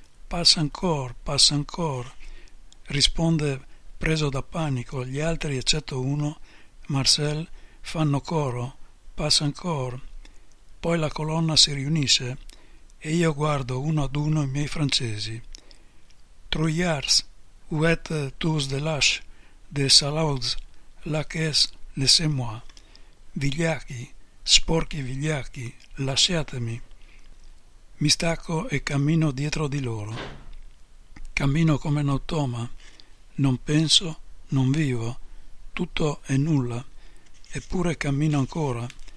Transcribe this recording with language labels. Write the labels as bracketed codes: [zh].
[fr] Passe encore, [it] risponde preso da panico. Gli altri, eccetto uno, Marcel, fanno coro. [fr] Passe encore. [it] Poi la colonna si riunisce e io guardo uno ad uno i miei francesi. [fr] Trouillards, où êtes tous de lâches, de salauds, laquais, laissez-moi. [it] Vigliacchi, sporchi vigliacchi, lasciatemi. Mi stacco e cammino dietro di loro. Cammino come un automa. Non penso, non vivo. Tutto è nulla. Eppure cammino ancora.